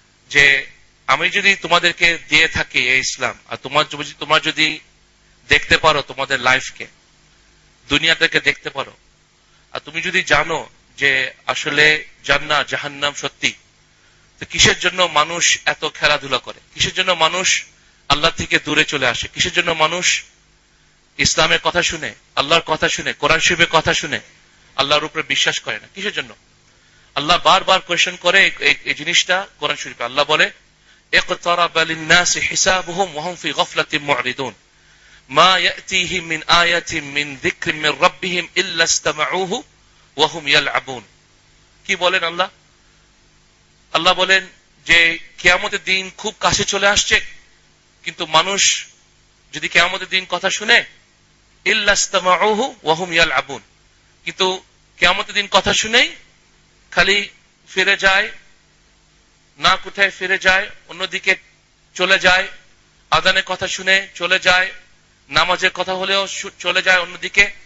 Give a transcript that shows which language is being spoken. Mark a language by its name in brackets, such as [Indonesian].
[Bangla] যে আমি যদি তোমাদেরকে দিয়ে থাকি এই ইসলাম, আর তোমরা যদি দেখতে পারো তোমাদের লাইফকে, দুনিয়াটাকে দেখতে পারো, আর তুমি যদি জানো যে আসলে জান্নাত জাহান্নাম সত্যি, তো কিসের জন্য মানুষ এত খেলাধুলা করে, কিসের জন্য মানুষ আল্লাহ থেকে দূরে চলে আসে, কিসের জন্য মানুষ ইসলামের কথা শুনে, আল্লাহর কথা শুনে, কোরআন শরীফের কথা শুনে আল্লাহর উপরে বিশ্বাস করে না, কিসের জন্য? আল্লাহ বারবার কোয়েশ্চন করে এই জিনিসটা কোরআন শরীফে। আল্লাহ বলে [Arabic] اقترب للناس حسابهم وهم في غفلة معرضون ما يأتيهم من آية من ذكر من ربهم إلا استمعوه وهم يلعبون। [Bangla] কি বলেন আল্লাহ? আল্লাহ বলেন যে কিয়ামতের দিন খুব কাছে চলে আসছে, কিন্তু মানুষ যদি কিয়ামতের দিন কথা শুনে, ইল্লা ইস্তামাউহু ওয়া হুম ইয়ালআবুন, কিন্তু কিয়ামতের দিন কথা শুনেই খালি ফিরে যায়, না কোথায় ফিরে যায়, অন্যদিকে চলে যায়, আদানের কথা শুনে চলে যায়, নামাজের কথা হলেও চলে যায় অন্যদিকে,